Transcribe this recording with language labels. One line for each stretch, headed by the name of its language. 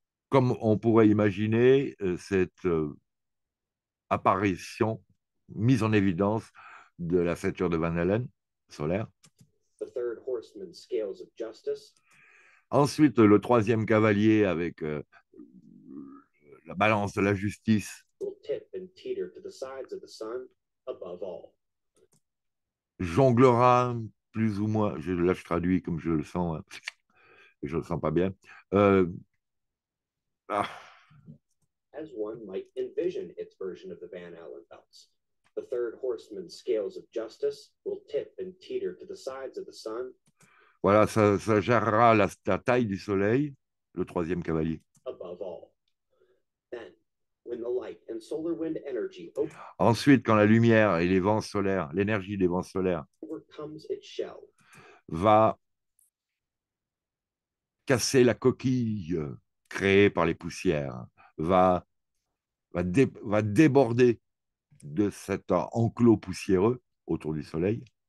French: Comme on pourrait imaginer apparition, mise en évidence de la ceinture de Van Allen solaire.
English: The third horseman scales of justice.
French: Ensuite, le troisième cavalier avec la balance de la justice.
English: Will tip and teeter to the sides of the sun above all.
French: Jonglera plus ou moins, là je traduis comme je le sens, hein. Je le sens pas bien.
English: As one might envision its version of the Van Allen belts. The third horseman's scales of justice will tip and teeter to the sides of the sun.
French: Voilà, ça gérera la taille du soleil, le troisième cavalier.
English: Above all. Then, when the light and solar wind energy
French: Ensuite, quand la lumière et les vents solaires, l'énergie des vents solaires
English: overcomes its shell,
French: va casser la coquille créée par les poussières, va déborder de cet enclos poussiéreux autour du soleil,